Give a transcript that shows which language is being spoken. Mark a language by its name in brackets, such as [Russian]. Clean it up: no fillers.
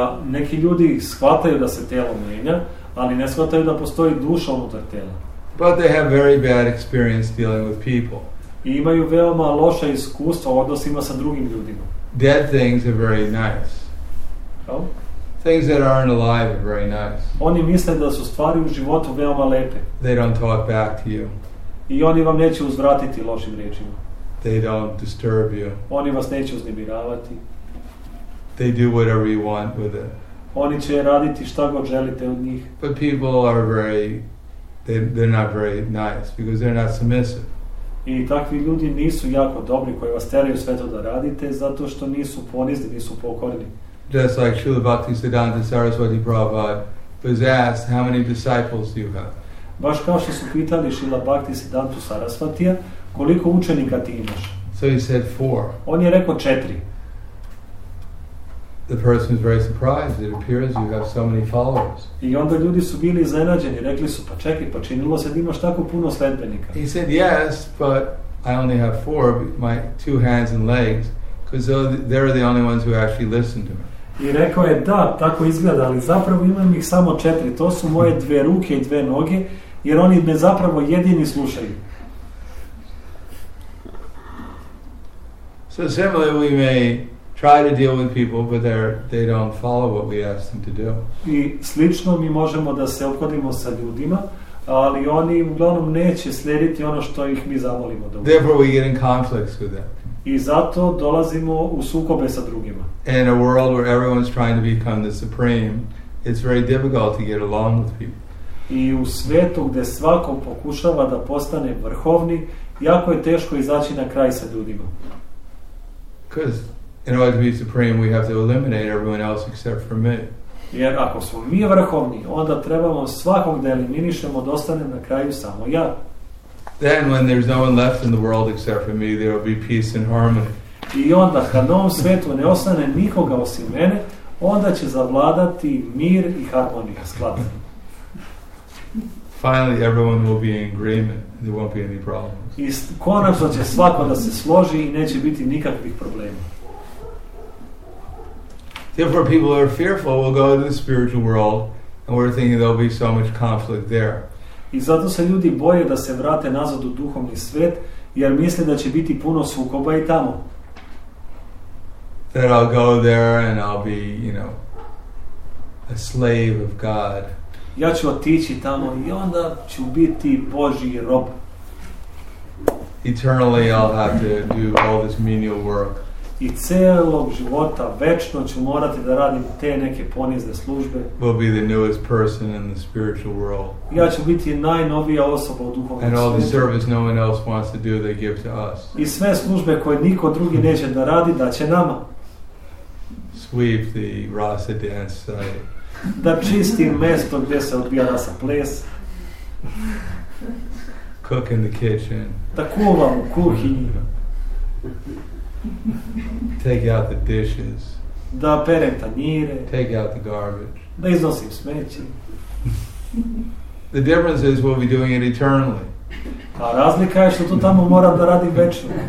[Serbian] Neki ljudi shvataju da se telo mijenja, ali ne shvataju da postoji duša unutar tela. [English] But they have very bad experience dealing with people. [Serbian] I imaju veoma loša iskustva u odnosima sa drugim ljudima. [English] Dead things are very nice. How? Things that aren't alive are very nice. [Serbian] Oni misle da su stvari u životu veoma lepe. [English] They don't talk back to you. [Serbian] I oni vam neće uzvratiti lošim riječima. [English] They don't disturb you. [Serbian] Oni vas neće uznemiravati. [English] They do whatever you want with it. [Serbian] Oni će raditi šta god želite od njih. [English] But people are they're not very nice because they're not submissive. [Serbian] I takvi ljudi nisu jako dobri koji vas teraju sve to da radite zato što nisu ponizni, nisu pokorni. [English] just like Śrīla Bhaktisiddhānta Sarasvati Prabhupāda was asked, how many disciples do you have? [Serbian] Baš kao što su pitali Śrīla Bhaktisiddhānta Sarasvatija, koliko učenika ti imaš? [English] So he said four. [Serbian] On je rekao četiri. [English] The person is very surprised. It appears you have so many followers. [Serbian] I onda ljudi su bili iznenađeni, rekli su, pa čekaj, pa činilo se da imaš tako puno sledbenika. [English] He said, yes, but I only have four, my two hands and legs, because they're the only ones who actually listen to me. [Serbian] I rekao je, da, tako izgleda, ali zapravo imam ih samo četiri, to su moje dve ruke i dve noge, jer oni me zapravo jedini slušaju. [English] So similarly, we may try to deal with people, but they don't follow what we ask them to do. [Serbian] I slično mi možemo da se ophodimo sa ljudima, ali oni uglavnom neće slijediti ono što ih mi zamolimo. [English] Therefore, we get in conflicts with them. [Serbian] I zato dolazimo u sukobe sa drugima. [English] In a world where everyone's trying to become the supreme, it's very difficult to get along with people. [Serbian] I u svetu gde svako pokušava da postane vrhovni, jako je teško izaći na kraj sa ljudima. [English] Because in order to be supreme, we have to eliminate everyone else except for me. [Serbian] Jer ako smo mi vrhovni, onda trebamo svakog da eliminišemo, da ostane na kraju samo ja. [English] Then when there's no one left in the world except for me, there will be peace and harmony. [Serbian] I onda kad na ovom svetu ne ostane nikoga osim mene, onda će zavladati mir i harmonija, sklad. [English] Finally, everyone will be in agreement. There won't be any problems. [Serbian] I konačno će svako da se složi i neće biti nikakvih problema. [English] Therefore, people are fearful will go to the spiritual world, and we're thinking there'll be so much conflict there. [Serbian] I zato se ljudi boje da se vrate nazad u duhovni svet, jer misle da će biti puno sukoba i tamo. [English] That I'll go there and I'll be, you know, a slave of God. [Serbian] Ja ću otići tamo i onda ću biti Božji rob. [English] Eternally, I'll have to do all this menial work. [Serbian] I celog života večno ću morati da radim te neke ponizne službe. [English] Will be the newest person in the spiritual world. [Serbian] Ja ću biti najnovija osoba u duhovnom svijetu. [English] And all the service no one else wants to do, they give to us. [Serbian] I sve službe koje niko drugi neće da radi, da će nama. [English] Sweep the Rasa dance site. [Serbian] Da čisti mesto gdje se odvija Rasa ples. [English] Cook in the kitchen. [Serbian] Da kuvam u kuhinji. [English] Take out the dishes. [Serbian] Da perem tanjire. [English] Take out the garbage. [Serbian] Da iznosim smeće. [English] The difference is we'll be doing it eternally. [Serbian] A razlika je što tu tamo moram da radim večno.